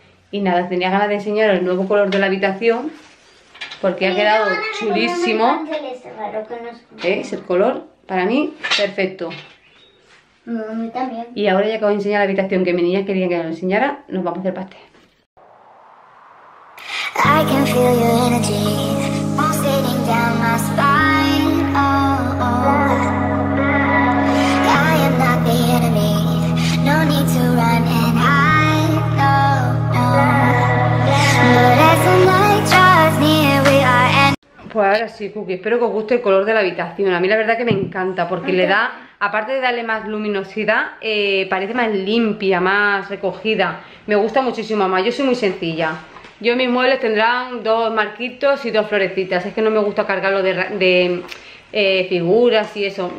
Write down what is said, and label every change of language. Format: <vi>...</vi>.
<es>Y nada, tenía ganas de enseñar el nuevo color de la habitación porque ha quedado chulísimo. ¿Veis el color? Para mí, perfecto. También. Y ahora ya que os enseño la habitación que mi niña quería que nos enseñara, nos vamos a hacer pastel.</es> <en>I can feel your energy pulsating down my spine. Oh, oh. I am not the enemy. No need to run and hide. No, no. But as the night draws near, we are end.</en> <es>Pues ahora sí, Cookie, espero que os guste el color de la habitación. A mí la verdad que me encanta porque le da. Aparte de darle más luminosidad, parece más limpia, más recogida. Me gusta muchísimo más. Yo soy muy sencilla. Yo mis muebles tendrán 2 marquitos y 2 florecitas. Es que no me gusta cargarlo de figuras y eso.</es>